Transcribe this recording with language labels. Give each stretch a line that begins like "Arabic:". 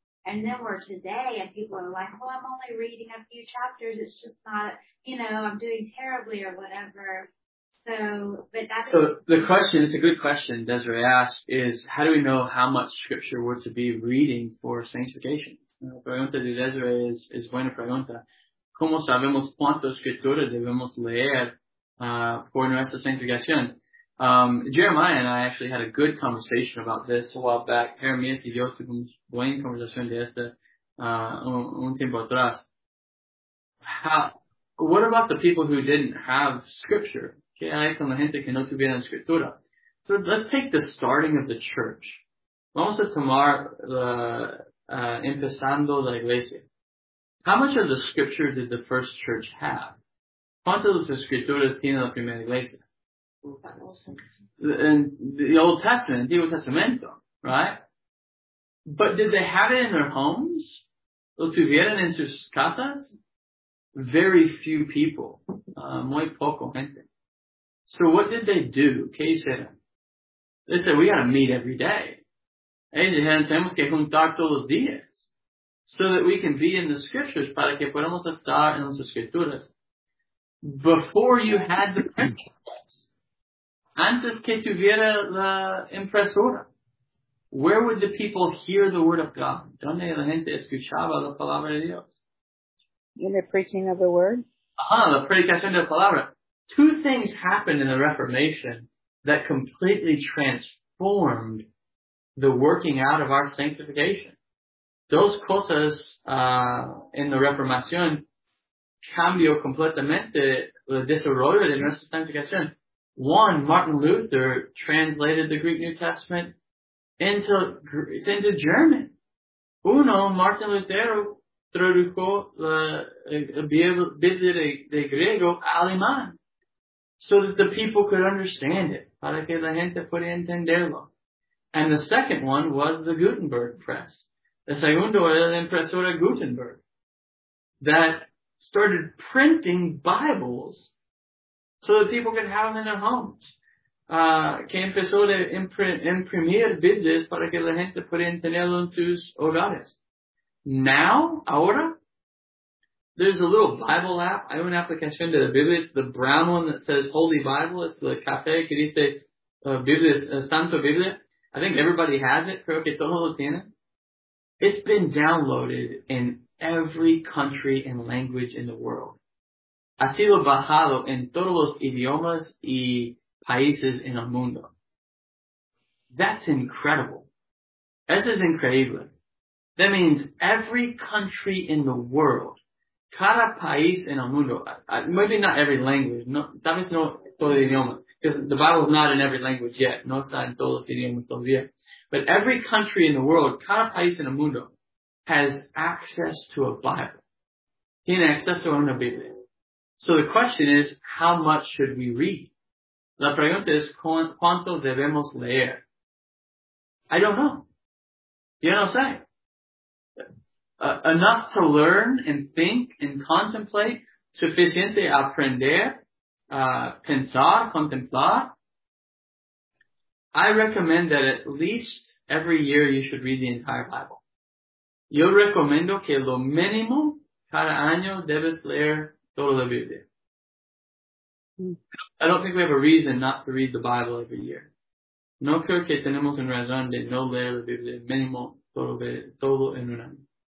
English: And then we're today, and people are like, well, I'm only reading a few chapters. It's just not, you know, I'm doing terribly or whatever. So, but that's... So the question, it's a good question Desiree asked, is how do we know how much scripture we're to be reading for sanctification?
Spanish: La pregunta de Desiree es buena pregunta. ¿Cómo sabemos cuánto escritura debemos leer por nuestra sanctificación?
English: Jeremiah and I actually had a good conversation about this a while back.
Spanish: Jeremías y yo tuvimos buena conversación de esta un tiempo atrás.
English: What about the people who didn't have scripture?
Spanish: ¿Qué hay con la gente que no tuvieron escritura?
English: So let's take the starting of the church.
Spanish: Vamos a tomar empezando la iglesia.
English: How much of the scripture did the first church have?
Spanish: ¿Cuántas escrituras tiene la primera iglesia?
English: In the Old Testament,
Spanish: Antiguo Testamento,
English: right? But did they have it in their homes?
Spanish: ¿Lo tuvieron en sus casas?
English: Very few people.
Spanish: Muy poco gente.
English: So what did they do?
Spanish: ¿Qué hicieron?
English: They said, we gotta meet every day.
Spanish: Ellos dijeron, tenemos que juntar todos los días.
English: So that we can be in the scriptures,
Spanish: para que podamos estar en las escrituras.
English: Before you had the printing press,
Spanish: antes que tuviera la impresora,
English: where would the people hear the word of God?
Spanish: ¿Dónde la gente escuchaba la palabra de Dios?
English: In the preaching of the word?
Spanish: La predicación de la palabra.
English: Two things happened in the Reformation that completely transformed the working out of our sanctification.
Spanish: those cosas en la Reformación cambió completamente el desarrollo de nuestra santificación.
English: One, Martin Luther translated the Greek New Testament into German.
Spanish: Uno, Martin Lutero tradujo la Biblia de griego a alemán,
English: so that the people could understand it,
Spanish: para que la gente pueda entenderlo.
English: And the second one was the Gutenberg Press.
Spanish: El segundo era la impresora Gutenberg,
English: that started printing Bibles so that people could have them in their homes.
Spanish: Que empezó a imprimir Biblias para que la gente pudiera tenerlo en sus hogares.
English: Now,
Spanish: ahora,
English: there's a little Bible app.
Spanish: Hay una aplicación de la Biblia.
English: It's the brown one that says Holy Bible. It's the café
Spanish: que dice Biblia, Santo Biblia.
English: I think everybody has it.
Spanish: Creo que todos lo tienen.
English: It's been downloaded in every country and language in the world.
Spanish: Ha sido bajado en todos los idiomas y países en el mundo.
English: That's incredible.
Spanish: Eso es increíble.
English: That means every country in the world,
Spanish: cada país en el mundo,
English: maybe not every language,
Spanish: no, tal vez no todo el idioma,
English: because the Bible is not in every language yet,
Spanish: no está en todos los idiomas todavía,
English: but every country in the world, cada país en el mundo, has access to a Bible.
Spanish: Tiene acceso a una Biblia.
English: So the question is, how much should we read?
Spanish: La pregunta es, ¿cuánto debemos leer?
English: I don't know.
Spanish: Yo no sé.
English: Enough to learn and think and contemplate.
Spanish: Suficiente aprender, pensar, contemplar.
English: I recommend that at least every year you should read the entire Bible.
Spanish: Yo recomiendo que lo mínimo cada año debes leer toda la Biblia.
English: I don't think we have a reason not to read the Bible every year.
Spanish: No creo que tenemos una razón de no leer la Biblia mínimo todo en un año.